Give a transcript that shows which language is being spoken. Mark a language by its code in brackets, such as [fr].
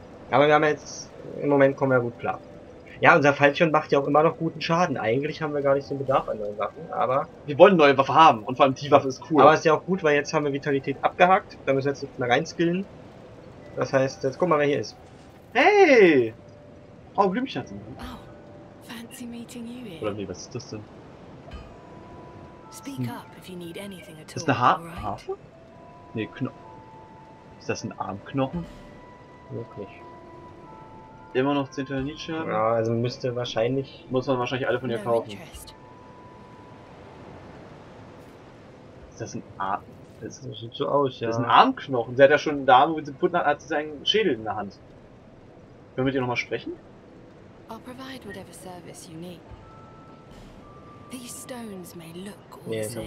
[de] Aber wir haben jetzt, im Moment kommen wir gut klar. Ja, unser Falchion macht ja auch immer noch guten Schaden. Eigentlich haben wir gar nicht so einen Bedarf an neuen Waffen, aber... Wir wollen neue Waffe haben, und vor allem die Waffe ist cool. Aber ist ja auch gut, weil jetzt haben wir Vitalität abgehakt. Da müssen wir jetzt mal reinskillen. Das heißt, jetzt guck mal, wer hier ist. Hey! Oh, Blümchen. [en] Oh, fancy meeting you here. [de] Oder nee, was ist das denn? [en] Speak up if you need anything at all. [de] Ist das eine Harfe? Nee, Knochen. Ist das ein Armknochen? Wirklich. Immer noch 10 Nietzsche. Ja, also müsste wahrscheinlich. Muss man wahrscheinlich alle von ihr kaufen. Ist das ein Arm? Das sieht so aus, ja. Das ist ein Armknochen. Sie hat ja schon da, wo sie putten hat, hat sie seinen Schädel in der Hand. Können wir mit ihr nochmal sprechen? [en] I'll provide whatever service you need. These stones may look awesome.